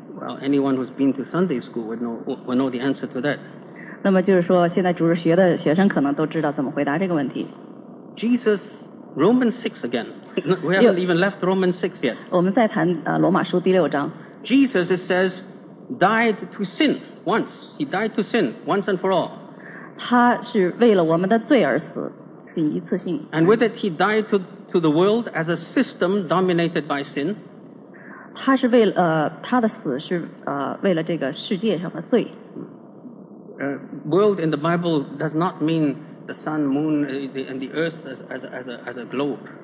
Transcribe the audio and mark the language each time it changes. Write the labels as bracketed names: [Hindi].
[English] Well, anyone who's been to Sunday school would know the answer to that. [Chinese] 那么就是说，现在主日学的学生可能都知道怎么回答这个问题。 [English] Jesus, Romans 6 again. We haven't even left Romans 6 yet. [Chinese] 我们再谈罗马书第六章。 [English] Jesus, it says, died to sin once. He died to sin once and for all. [Chinese] 他是为了我们的罪而死，仅一次性。 [English] And with it, he died to the world as a system dominated by sin. [Chinese] 他是为了他的死是为了这个世界上的罪。 [English] World in the Bible does not mean the sun, moon, and the earth as a globe.